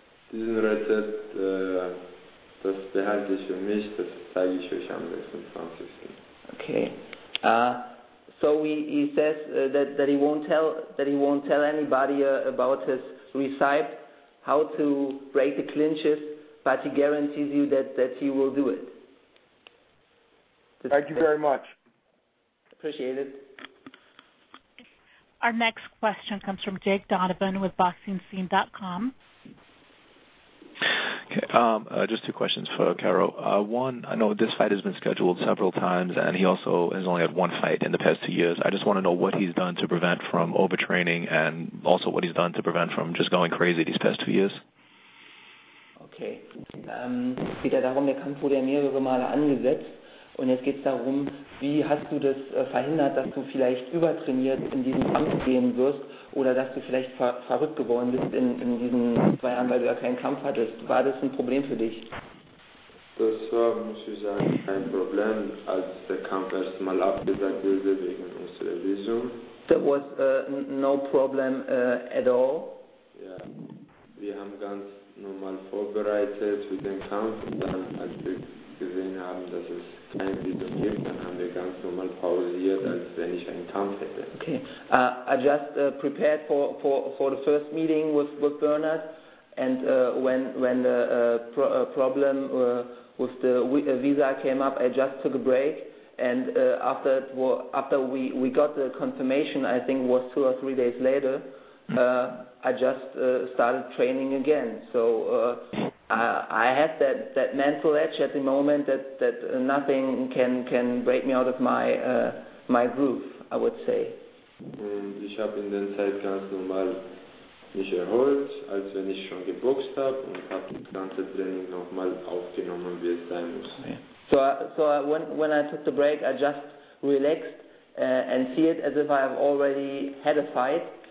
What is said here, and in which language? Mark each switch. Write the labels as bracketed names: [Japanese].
[German] Diesen Rezept, das behalte ich für mich, das zeige ich euch am 26. [English] Okay. So he says that he won't tell anybody about his recipe, how to break the clinches, but he guarantees you that he will do it. Thank you very much. Appreciate it. Our next question comes from Jake Donovan with BoxingScene.com. Okay, just two questions for Caro. One, I know this fight has been scheduled several times, and he also has only had one fight in the past 2 years. I just want to know what he's done to prevent from overtraining and also what he's done to prevent from just going crazy these past 2 years. Okay. [German] Es geht ja darum, der Kampf wurde ja mehrere Male angesetzt. Und jetzt geht es darum, wie hast du das verhindert, dass du vielleicht übertrainiert in diesen Kampf gehen wirst oder dass du vielleicht verrückt geworden bist in diesen 2 Jahren, weil du ja keinen Kampf hattest. War das ein Problem für dich? Das war, muss ich sagen, kein Problem, als der Kampf erstmal abgesagt wurde wegen unserer Visum. [English] That was no problem at all? Ja, yeah. [German] Wir haben ganz normal vorbereitet für den Kampf und dann, als wir gesehen haben, dass es kein Visum gibt, dann haben wir ganz normal pausiert, als wenn ich einen Kampf hätte. [English] Okay, I just prepared for the first meeting with Bernard, and when the problem with the visa came up, I just took a break, and after we got the confirmation, I think it was 2 or 3 days later, I just started training again. So I have that mental edge at the moment that nothing can break me out of my groove, I would say. [German] Und ich habe in der Zeit ganz normal mich erholt, als wenn ich schon geboxt habe, und habe das ganze Training nochmal aufgenommen, wie es sein muss. [English] Okay. So when I took the break, I just relaxed and see it as if I have already had a fight.